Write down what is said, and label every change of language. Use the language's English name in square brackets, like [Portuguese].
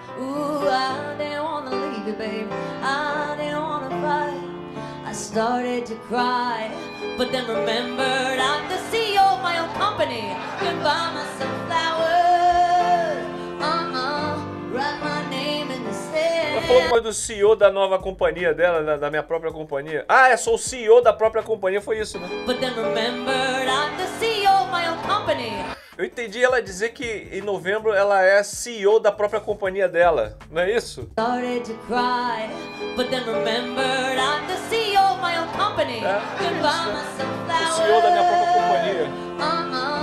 [English] Ooh, I didn't want to leave you, baby. I didn't want to fight. I started to cry, but then remembered I'm the CEO of my own company. Could buy myself flowers, write my name in the sand. [Portuguese] Ela falou coisa do CEO da nova companhia dela, da minha própria companhia. Ah, é, sou o CEO da própria companhia, foi isso, né? [English] But then remembered I'm the CEO of my own company. [Portuguese] Eu entendi ela dizer que em novembro ela é CEO da própria companhia dela, não é isso? [English] Started to cry, but then remembered I'm the CEO of my own company. [Portuguese] É, [English] goodbye, [Portuguese] né? CEO da minha própria companhia.